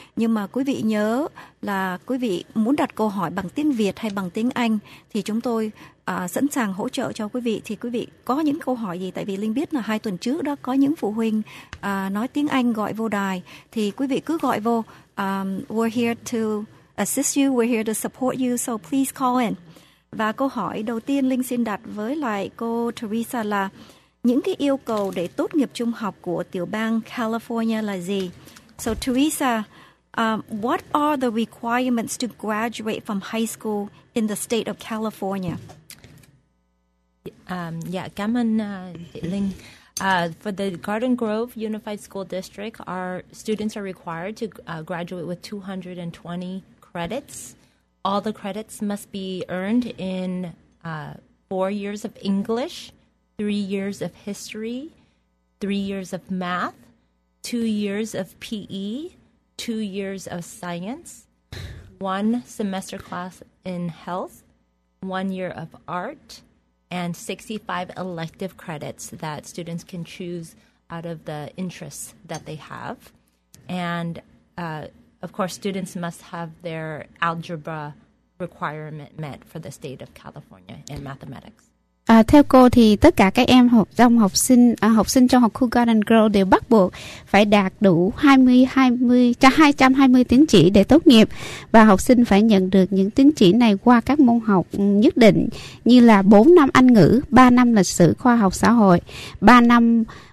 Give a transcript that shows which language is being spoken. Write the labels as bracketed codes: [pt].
[vi] Nhưng mà quý vị nhớ là quý vị muốn đặt câu hỏi bằng tiếng Việt hay bằng tiếng Anh thì chúng tôi sẵn sàng hỗ trợ cho quý vị. Thì quý vị có những câu hỏi gì, tại vì Linh biết là hai tuần trước đó có những phụ huynh nói tiếng Anh gọi vô đài, thì quý vị cứ gọi vô. [en] We're here to assist you, we're here to support you, so please call in. [vi] Và câu hỏi đầu tiên Linh xin đặt với lại cô Teresa là những cái yêu cầu để tốt nghiệp trung học của tiểu bang California là gì? [en] So Teresa, what are the requirements to graduate from high school in the state of California? [vi] Cảm ơn Linh. [en] For the Garden Grove Unified School District, our students are required to graduate with 220 credits. All the credits must be earned in 4 years of English, 3 years of history, 3 years of math, 2 years of PE, 2 years of science, one semester class in health, 1 year of art, and 65 elective credits that students can choose out of the interests that they have. And, of course, students must have their algebra requirement met for the state of California in mathematics. [vi] Theo cô thì tất cả các em học sinh trong học khu Garden Grove đều bắt buộc phải đạt đủ 220 tín chỉ để tốt nghiệp, và học sinh phải nhận được những tín chỉ này qua các môn học nhất định như là 4 năm Anh ngữ, 3 năm lịch sử khoa học xã hội, 3 năm